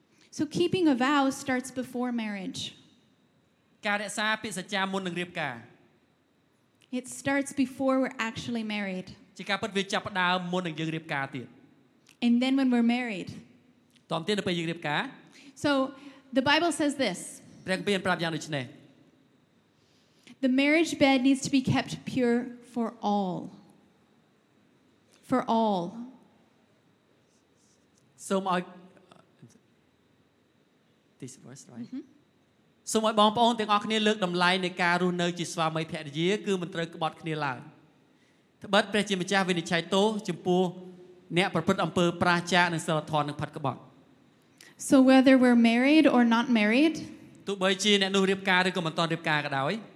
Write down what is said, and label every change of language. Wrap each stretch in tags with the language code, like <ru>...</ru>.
<en>So keeping a vow starts before marriage</en> <km>ការរក្សាពាក្យសច្ចាមុននឹងរៀបការ</km> <en>It starts before we're actually married</en> <km>ជាការពិតវាចាប់ផ្ដើមមុននឹងយើងរៀបការទៀត</km> <en>And then when we're married</en> <km>តាំងពីដល់ពេលយើងរៀបការ</km> <en>So the Bible says this.</en> <km>ព្រះគម្ពីរប្រាប់យ៉ាងដូចនេះ</km> <en>The marriage bed needs to be kept pure for all. For all.</en> <km>សូមឲ្យ</km> <en>This verse right.</en> <km>សូមឲ្យបងប្អូនទាំងអស់គ្នាលើកតម្លៃនៃការរស់នៅជាស្វាមីភរិយាគឺមិនត្រូវក្បត់គ្នាឡើយ ត្បិតព្រះជាម្ចាស់វិនិច្ឆ័យទោសចំពោះអ្នកប្រព្រឹត្តអំពើប្រាជ្ញានិងសីលធម៌នឹងផិតក្បត់</km> <en>So whether we're married or not married,</en> <km>ទោះបីជាអ្នកនោះរៀបការឬក៏មិនទាន់រៀបការក៏ដោយ</km>